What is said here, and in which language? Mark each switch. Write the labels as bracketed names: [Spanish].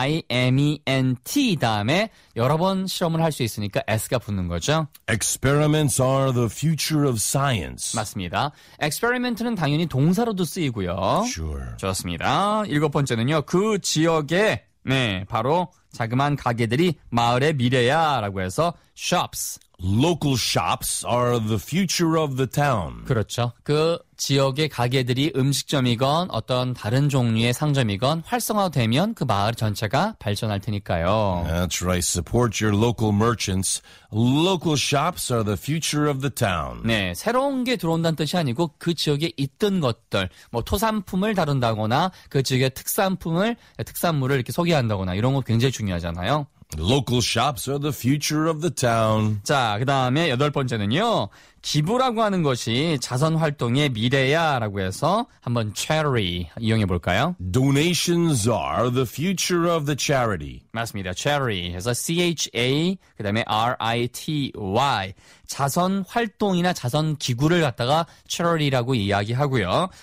[Korean] E-X-P-E-R-I-M-E-N-T 다음에 여러 번 실험을 할 수 있으니까 S가 붙는 거죠. [English] Experiments are the future of science. [Korean] 맞습니다. Experiment는 당연히 동사로도 쓰이고요. [English] Sure. [Korean] 좋습니다. 일곱 번째는요. 그 지역에 네, 바로 자그마한 가게들이 마을의 미래야라고 해서 shops. [English] Local shops are the future of the town. [Korean] 그렇죠. 그 지역의 가게들이 음식점이건 어떤 다른 종류의 상점이건 활성화되면 그 마을 전체가 발전할 테니까요. [English] That's right. Support your local merchants. Local shops are the future of the town. [Korean] 네, 새로운 게 들어온다는 뜻이 아니고 그 지역에 있던 것들, 뭐 토산품을 다룬다거나 그 지역의 특산품을, 특산물을 이렇게 소개한다거나 이런 거 굉장히 중요하잖아요. [English] Local shops are the future of the town. [Korean] 자, 그 다음에 여덟 번째는요. 기부라고 하는 것이 자선활동의 미래야라고 해서 한번 charity 이용해 볼까요? [English] Donations are the future of the charity. [Korean] 맞습니다. Charity 해서 C-H-A 그 다음에 R-I-T-Y 자선활동이나 자선기구를 갖다가 charity라고 이야기하고요.